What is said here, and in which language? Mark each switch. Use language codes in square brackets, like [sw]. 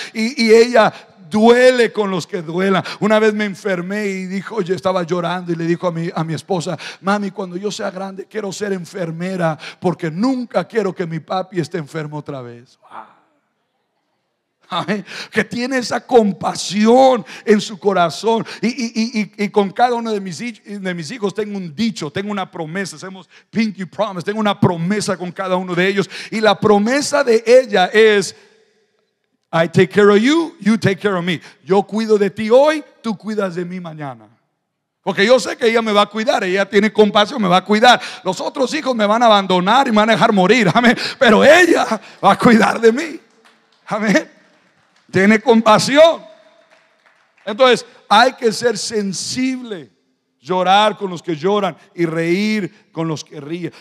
[es] Y ella duele con los que duelan. Una vez me enfermé y dijo, yo estaba llorando y le dijo a mi esposa, mami, cuando yo sea grande quiero ser enfermera porque nunca quiero que mi papi esté enfermo otra vez. Que tiene esa compasión en su corazón. Y con cada uno de mis hijos tengo un dicho, tengo una promesa, hacemos pinky promise, tengo una promesa con cada uno de ellos. Y la promesa de ella es, [en] I take care of you, you take care of me. [es] Yo cuido de ti hoy, tú cuidas de mí mañana. Porque yo sé que ella me va a cuidar, ella tiene compasión, me va a cuidar. Los otros hijos me van a abandonar y me van a dejar morir. Amén. Pero ella va a cuidar de mí. Amén. Tiene compasión. Entonces hay que ser sensible, llorar con los que lloran y reír con los que ríen.